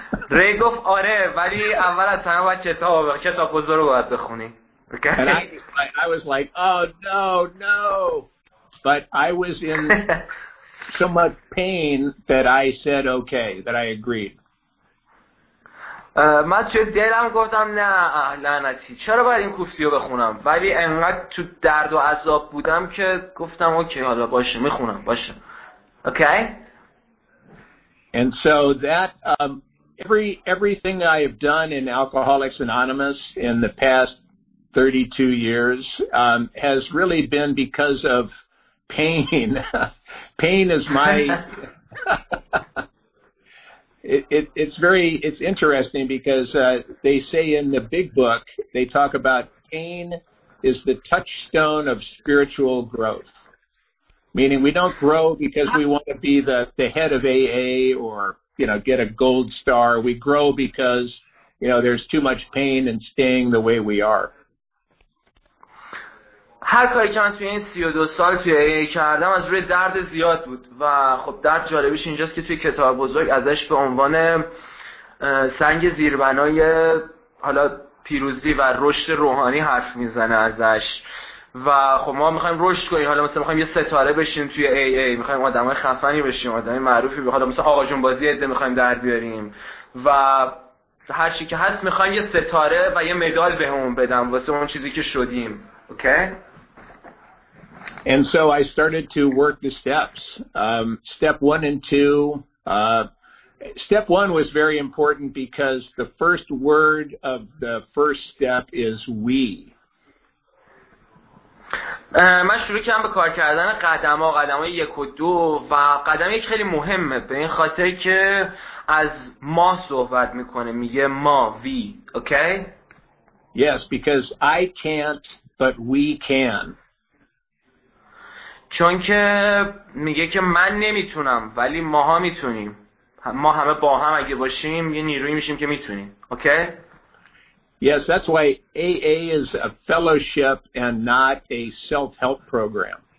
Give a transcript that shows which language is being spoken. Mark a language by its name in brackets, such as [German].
[Persian] ری گفت آره ولی اول از همه باید کتاب بزرگ رو باید بخونی. [English] And I was like, oh no. But I was in so much pain that I said okay, that I agreed. [Persian] من توی دلم گفتم نه لعنتی چرا باید این کوفتی رو بخونم ولی انقدر تو درد و عذاب بودم که گفتم اوکی حالا باشه میخونم باشه. [English] Okay. And so that everything I have done in Alcoholics Anonymous in the past 32 years has really been because of pain. Pain is my it's interesting because they say in the big book they talk about pain is the touchstone of spiritual growth. Meaning we don't grow because we want to be the head of AA or, you know, get a gold star. We grow because, you know, there's too much pain in staying the way we are. [Persian] هر کاری که من توی این 32 سال توی AA کردم از روی درد زیاد بود و خب درد جالبیش اینجاست که توی کتاب بزرگ ازش به عنوان سنگ زیربنای حالا پیروزی و رشد روحانی حرف میزنه ازش. و خب ما میخوایم رشد کنیم حالا مثلا میخوایم یه ستاره بشیم توی AA میخوایم آدم های خفنی بشیم آدم های معروفی بشیم حالا مثلا آقا جون بازی عده میخوایم در بیاریم و هر چی که هست میخوان یه ستاره و یه مدال بهمون بدن واسه اون چیزی که شدیم. [English] Okay? And so I started to work the steps. Step one and two. Step one was very important because the first word of the first step is we. [Persian] من شروع کردم به کار کردن قدم‌ها، قدم‌های یک و دو، و قدم یک خیلی مهمه به این خاطر که از ما صحبت میکنه، میگه ما، we. [English] Okay? Yes, because I can't, but we can. [Persian] چون که میگه که من نمیتونم ولی ماها میتونیم، ما همه با هم اگه باشیم یه نیرویی میشیم که میتونیم. [English] Okay? Yes, that's why AA is a fellowship and not a self-help program.